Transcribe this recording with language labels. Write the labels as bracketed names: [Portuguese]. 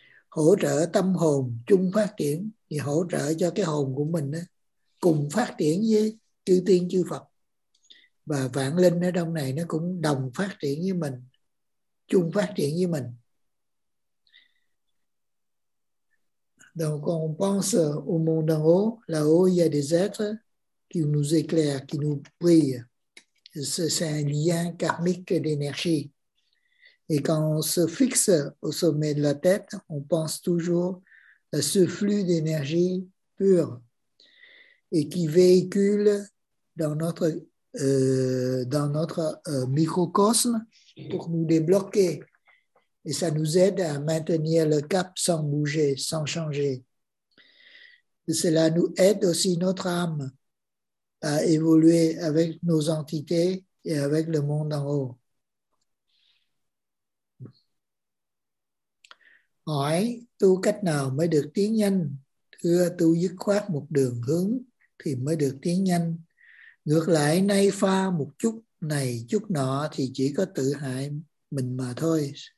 [Vietnamese] Hỗ trợ tâm hồn chung phát triển, thì hỗ trợ cho cái hồn của mình đó, cùng phát triển với chư tiên chư Phật và vạn linh ở trong này, nó cũng đồng phát triển với mình, chung phát triển với mình. [French] Donc on pense au monde en haut, là-haut il y a des êtres qui nous éclairent, qui nous brillent. C'est un lien karmique d'énergie. Et quand on se fixe au sommet de la tête, on pense toujours à ce flux d'énergie pure et qui véhicule dans notre microcosme pour nous débloquer. Et ça nous aide à maintenir le cap sans bouger, sans changer. Et cela nous aide aussi notre âme à évoluer avec nos entités et avec le monde en haut. [Vietnamese] Hỏi tu cách nào mới được tiến nhanh? Thưa, tu dứt khoát một đường hướng thì mới được tiến nhanh. Ngược lại, nay pha một chút này chút nọ thì chỉ có tự hại mình mà thôi.